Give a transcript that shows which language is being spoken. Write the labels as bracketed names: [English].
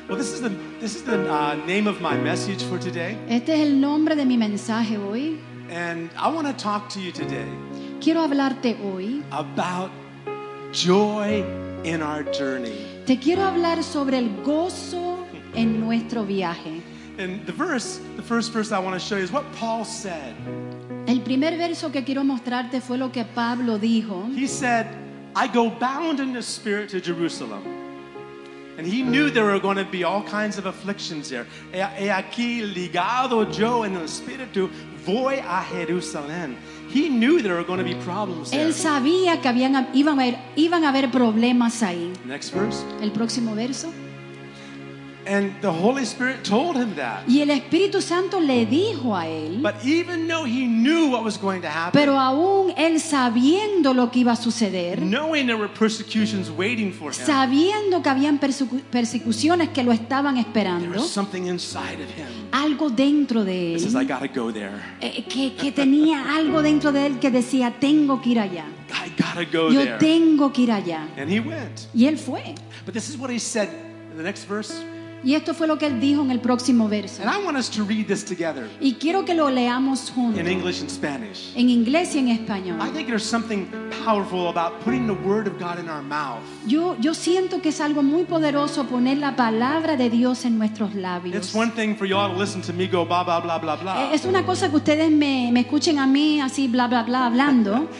[English] Well, this is the name of my message for today. [Spanish] Este es el nombre de mi mensaje hoy. [English] And I want to talk to you today. [Spanish] Quiero hablarte hoy [English] about joy in our journey. [Spanish] Te quiero hablar sobre el gozo en nuestro viaje. [English] And the first verse I want to show you is what Paul said. [Spanish] El primer verso que quiero mostrarte fue lo que Pablo dijo. [English] He said, I go bound in the spirit to Jerusalem. And he knew there were going to be all kinds of afflictions there. [Spanish] He aquí ligado yo en el espíritu voy a Jerusalén. [English] He knew there were going to be problems there. [Spanish] Él sabía que iban a haber problemas ahí. [English] Next verse. [Spanish] El próximo verso. [English] And the Holy Spirit told him that. [Spanish] Y el Espíritu Santo le dijo a él. [English] But even though he knew what was going to happen. [Spanish] Pero aún él sabiendo lo que iba a suceder. [English] Knowing there were persecutions waiting for him. [Spanish] Sabiendo que habían persecuciones que lo estaban esperando. [English] There was something inside of him. [Spanish] Algo dentro de él. [English] It says, I gotta go there. [Spanish] Que tenía algo dentro de él que decía, tengo que ir allá. [English] I gotta go [Spanish] yo [English] there. [Spanish] Yo tengo que ir allá. [English] And he went. [Spanish] Y él fue. [English] But this is what he said in the next verse. [Spanish] Y esto fue lo que él dijo en el próximo verso. [English] And I want us to read this together. [Spanish] Y quiero que lo leamos juntos. [English] In English and Spanish. [Spanish] En inglés y en español. [English] I think there's something powerful about putting the word of God in our mouth. [Spanish] Yo siento que es algo muy poderoso poner la palabra de Dios en nuestros labios. [English] It's one thing for y'all to listen to me go blah blah blah blah blah. [Spanish] Es una cosa que ustedes me escuchen a mí así blah blah blah hablando.